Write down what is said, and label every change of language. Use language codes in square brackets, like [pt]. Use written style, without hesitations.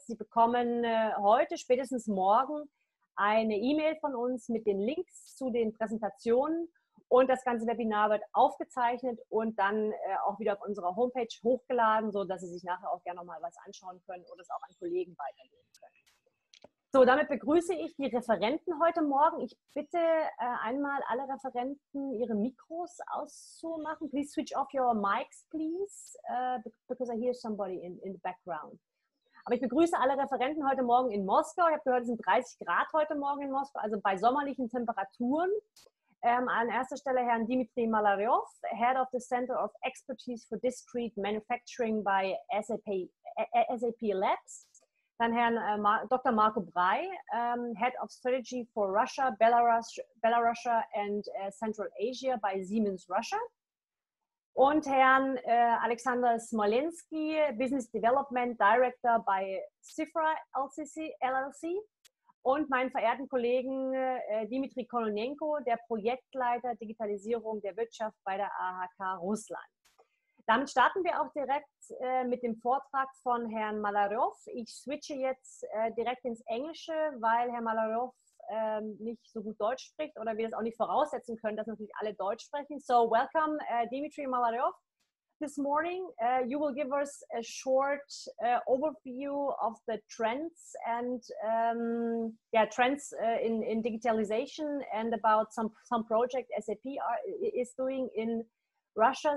[de] Sie bekommen heute, spätestens morgen, eine E-Mail von uns mit den Links zu den Präsentationen, und das ganze Webinar wird aufgezeichnet und dann auch wieder auf unserer Homepage hochgeladen, sodass Sie sich nachher auch gerne nochmal was anschauen können oder es auch an Kollegen weitergeben können. So, damit begrüße ich die Referenten heute Morgen. Ich bitte einmal alle Referenten, ihre Mikros auszumachen. [en] Please switch off your mics, please, because I hear somebody in the background. [de] Aber ich begrüße alle Referenten heute Morgen in Moskau. Ich habe gehört, es sind 30 Grad heute Morgen in Moskau, also bei sommerlichen Temperaturen. An erster Stelle Herrn Dimitri Malarjov, Head of the Center of Expertise for Discrete Manufacturing bei SAP Labs. Dann Herrn Dr. Marco Brey, Head of Strategy for Russia, Belarus and Central Asia bei Siemens Russia. Und Herrn Alexander Smolenski, Business Development Director bei Cifra LLC. Und meinen verehrten Kollegen Dimitri Kononenko, der Projektleiter Digitalisierung der Wirtschaft bei der AHK Russland. Damit starten wir auch direkt mit dem Vortrag von Herrn Malarjov. Ich switche jetzt direkt ins Englische, weil Herr Malarjov nicht so gut Deutsch spricht oder wir das auch nicht voraussetzen können, dass natürlich alle Deutsch sprechen. [en] So, welcome Dmitry Malaryov. This morning, you will give us a short overview of the trends and trends in digitalization and about some project SAP is doing in Russia.